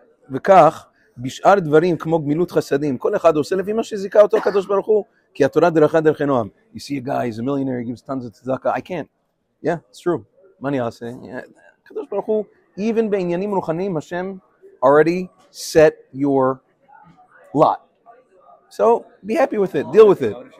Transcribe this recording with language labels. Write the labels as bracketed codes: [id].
[he] וכך, בשאר דברים כמו גמילות חסדים, כל אחד עושה לפי מה שזיכה אותו הקדוש ברוך הוא, כי התורה דרכה דרכי נועם. [en] You see a guy, he's a millionaire, he gives tons of tzedakah. I can't. Yeah, it's true. [he] מה אני אעשה? הקדוש ברוך הוא, [en] even [he] בעניינים רוחניים, השם [en] already set your lot. So, be happy with it, deal with it.